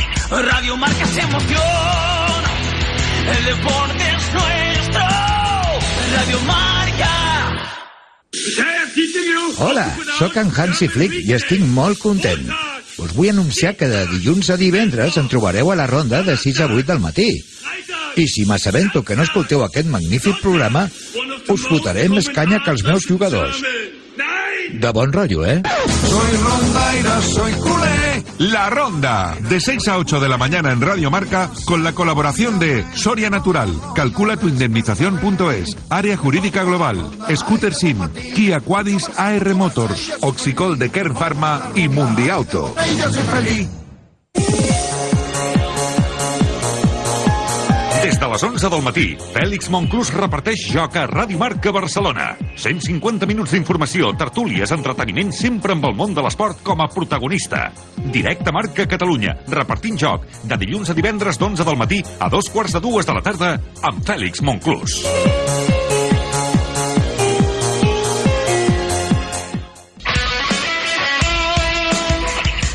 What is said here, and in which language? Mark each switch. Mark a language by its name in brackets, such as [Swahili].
[Spanish] Radio Marca es emoción, el deporte es nuestro, Radio Marca. [Catalan] Hola, sóc en Hansi Flick i estic molt content. Us vull anunciar que de dilluns a divendres em trobareu a la ronda de 6 a 8 del matí. I si m'assabento que no escolteu aquest magnífic programa, us fotaré més canya que els meus jugadors. De bon rotllo, eh? [Spanish] Soy rondaira, soy culé. La Ronda, de 6 a 8 de la mañana en Radio Marca, con la colaboración de Soria Natural, calculatuindemnización.es, Área Jurídica Global, Scooter Sim, Kia Quadis AR Motors, Oxicol de Kern Pharma y Mundi Auto. [Catalan] Des de les 11 del matí, Fèlix Monclús reparteix joc a Ràdio Marca Barcelona. 150 minuts d'informació, tertúlies, entreteniment, sempre amb el món de l'esport com a protagonista. Directe a Marca Catalunya, repartint joc, de dilluns a divendres d'11 del matí a 2:15 de la tarda, amb Fèlix Monclús.